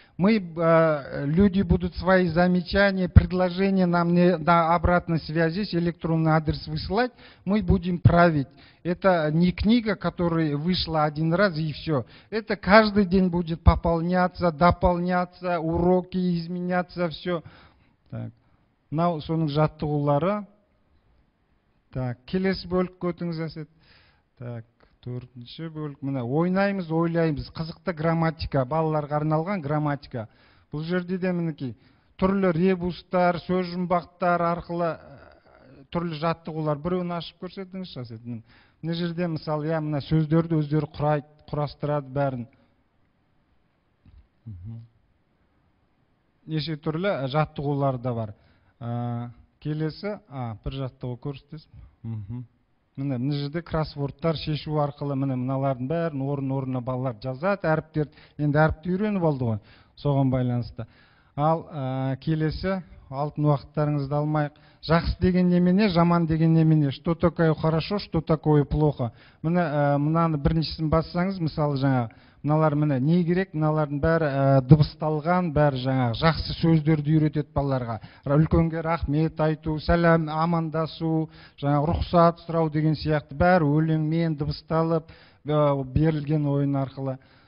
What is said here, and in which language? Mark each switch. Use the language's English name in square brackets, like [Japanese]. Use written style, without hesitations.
[Russian] Мы, люди будут свои замечания, предложения нам не, на обратной связи, электронный адрес высылать, мы будем править. Это не книга, которая вышла один раз и все. Это каждый день будет пополняться, дополняться, уроки изменяться, все. [Kazakh] Так, на соның жаттығулары. Так, келесі бөлік көтіңіз, Әсет. Так. Төртінші бөлік, міне ойнаймыз, ойлаймыз, қызықты грамматика, балаларға арналған грамматика. Бұл жерде де мінекей түрлі ребустар, сөз жұмбақтар арқылы түрлі жаттығулар. Біреуін ашып көрсетіңіз, Әсет. Мына жерде мысалы, мына сөздерді өздері құрастырады бәрін. Неше түрлі жаттығулар да бар. Келесі, бір жаттығу көрсетесіз. Міне мына жерде кроссвордтар шешу арқылы міне мыналардың бәрін орын-орнына балалар жазады, әріптер, енді әріпті үйреніп алды ғой, соған байланысты. Ал келесі, алтын уақыттарыңызды алмайық. Жақсы деген немене, жаман деген немене, [Russian] что такое хорошо, что такое плохо. [Kazakh] Міне мынаны біріншісін бассаңыз, мысалы жаңағы мыналар міне не керек, мыналардың бәрі дыбысталған, бәрі жаңағы жақсы сөздерді үйретеді балаларға. Үлкенге рахмет айту, сәлем, амандасу, жаңағы рұқсат сұрау деген сияқты, бәрі өлеңмен дыбысталып берілген ойын арқылы.